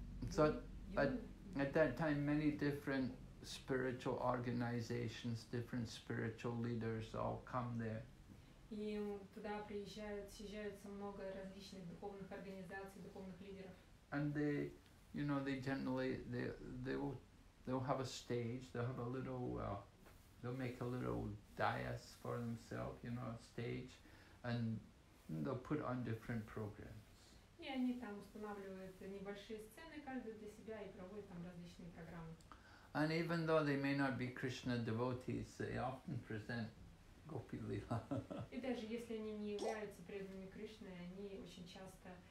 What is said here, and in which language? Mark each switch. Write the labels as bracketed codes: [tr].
[en] So, at that time, many different spiritual organizations, different spiritual leaders all come there. [ru] И туда приезжают, съезжаются много различных духовных организаций, духовных лидеров. [en] And they, you know, they generally, they'll have a stage, they'll have a little, they'll make a little dais for themselves, you know, a stage, and they'll put on different programs. And even though they may not be Krishna devotees, they often present Gopi Lila. [ru] И даже если они не являются преданными Кришны, они очень часто